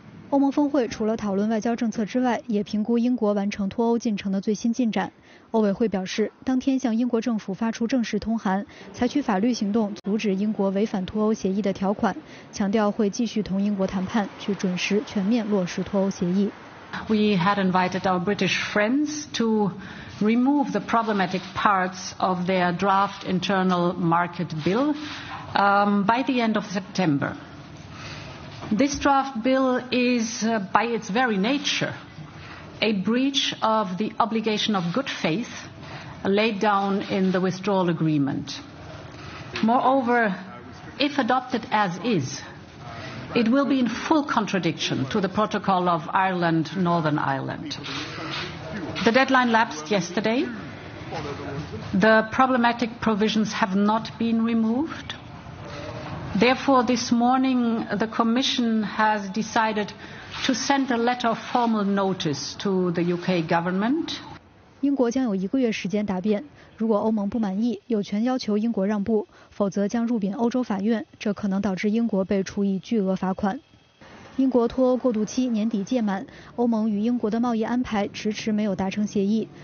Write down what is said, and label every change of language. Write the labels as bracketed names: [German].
[Chinese] 欧盟峰会除了讨论外交政策之外，也评估英国完成脱欧进程的最新进展。欧委会表示，当天向英国政府发出正式通函，采取法律行动阻止英国违反脱欧协议的条款，强调会继续同英国谈判，去准时全面落实脱欧协议。 [English] We had invited our British friends to remove the problematic parts of their draft internal market bill, by the end of September. This draft bill is, by its very nature, a breach of the obligation of good faith laid down in the withdrawal agreement. Moreover, if adopted as is, it will be in full contradiction to the Protocol of Ireland, Northern Ireland. The deadline lapsed yesterday. The problematic provisions have not been removed. Therefore, this morning, the Commission has decided to send a letter of formal notice to the UK government. [Chinese] 英国将有一个月时间答辩，如果欧盟不满意，有权要求英国让步，否则将入禀欧洲法院，这可能导致英国被处以巨额罚款。英国脱欧过渡期年底届满，欧盟与英国的贸易安排迟迟没有达成协议。